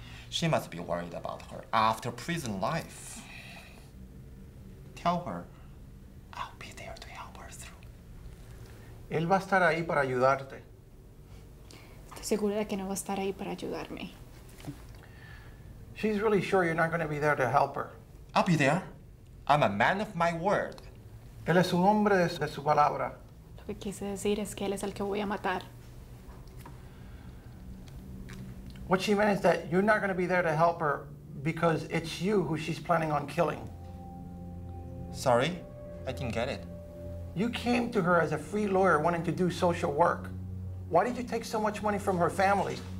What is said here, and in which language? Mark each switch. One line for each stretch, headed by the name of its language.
English: She must be worried about her after prison life. Tell her I'll be there to help her through.
Spanish: Él va a estar ahí para ayudarte. Segura de que no va a estar ahí para ayudarme.
English: She's really sure you're not going to be there to help her. I'll be there. I'm a man of my word.
Spanish: Él es un hombre de su palabra. Lo que quise decir es que él es el que voy a matar.
English: What she meant is that you're not going to be there to help her because it's you who she's planning on killing. Sorry, I didn't get it. You came to her as a free lawyer wanting to do social work. Why did you take so much money from her family?